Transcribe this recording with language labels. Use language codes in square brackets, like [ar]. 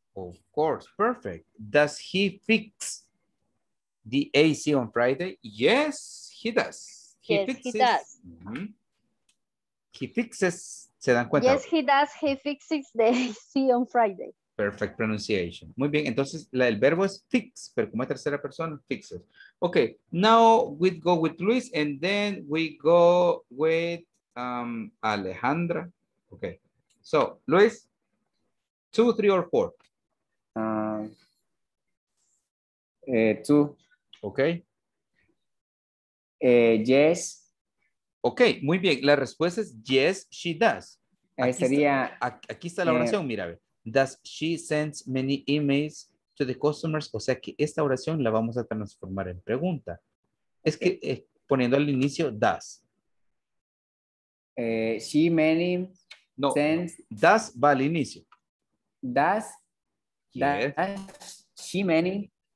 [en] Of course, perfect. Does he fix the AC on Friday? Yes, he does. He yes, fixes. He does. Mm-hmm. He fixes. [es] ¿Se dan cuenta? [en] Yes, he does. He fixes the AC on Friday. Perfect pronunciation. [es] Muy bien. Entonces, el verbo es fix, pero como es tercera persona, fixes. [en] Okay, now we go with Luis, and then we go with Alejandra. Okay. So, Luis, 2, 3, or 4? Two. Okay. Yes. [es] Okay, muy bien. La respuesta es [en] yes, she does. [es] Aquí sería. Aquí está la oración, mira. [en] Does she send many emails to the customers? [es] O sea que esta oración la vamos a transformar en pregunta. Es que poniendo al inicio, does. [en] She many [es] no, sends. No. Does va al inicio. [en] Does. Yes. She many.